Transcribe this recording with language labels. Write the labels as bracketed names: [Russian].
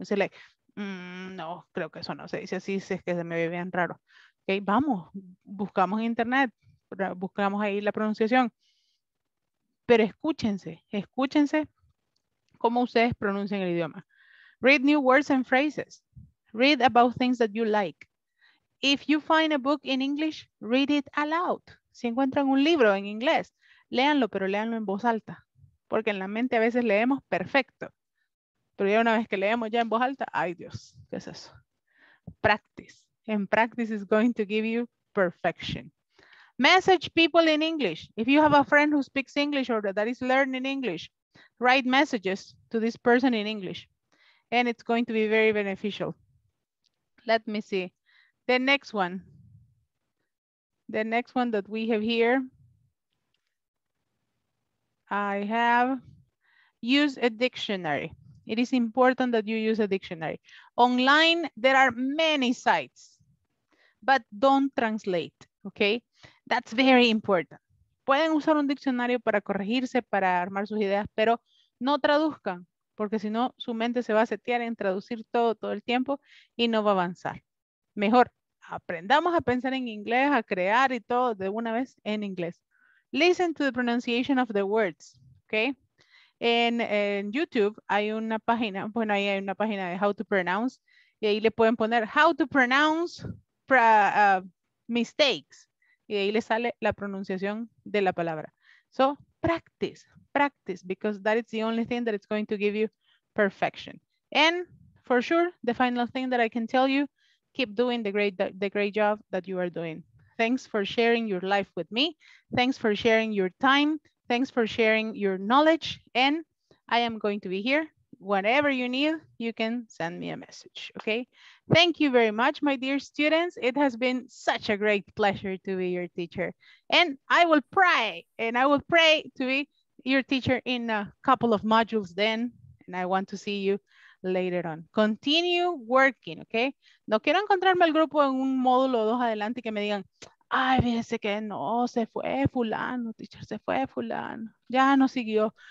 [Spanish] O sea, like, no, creo que eso no se dice así, si es que se me ve bien raro. Okay, vamos, buscamos en internet, buscamos ahí la pronunciación. Pero escúchense, escúchense cómo ustedes pronuncian el idioma. [English] Read new words and phrases. Read about things that you like. If you find a book in English, read it aloud. [Spanish] Si encuentran un libro en inglés, léanlo, pero léanlo en voz alta. Porque en la mente a veces leemos perfecto. Pero ya una vez que leemos ya en voz alta, ay Dios, ¿qué es eso? [English] Practice. And practice is going to give you perfection. Message people in English. If you have a friend who speaks English or that is learning English, write messages to this person in English. And it's going to be very beneficial. Let me see. The next one. The next one that we have here. I have use a dictionary. It is important that you use a dictionary. Online, there are many sites. But don't translate, okay? That's very important. [Spanish] Pueden usar un diccionario para corregirse, para armar sus ideas, pero no traduzcan, porque si no, su mente se va a setear en traducir todo el tiempo y no va a avanzar. Mejor, aprendamos a pensar en inglés, a crear y todo de una vez en inglés. [English] Listen to the pronunciation of the words, okay? [Spanish] En YouTube hay una página, bueno, ahí hay una página de [English] how to pronounce, [Spanish] y ahí le pueden poner [English] how to pronounce mistakes. [Spanish] Y ahí le sale la pronunciación de la palabra. [English] So, practice, practice, because that is the only thing that is going to give you perfection. And for sure, the final thing that I can tell you, keep doing the great job that you are doing. Thanks for sharing your life with me. Thanks for sharing your time. Thanks for sharing your knowledge. And I am going to be here whatever you need, you can send me a message, okay? Thank you very much, my dear students. It has been such a great pleasure to be your teacher. And I will pray, and I will pray to be your teacher in a couple of modules then, and I want to see you later on. Continue working, okay? [Spanish] No quiero encontrarme al grupo en un módulo o dos adelante que me digan, ay, fíjense que no, se fue fulano, teacher, se fue fulano, ya no siguió.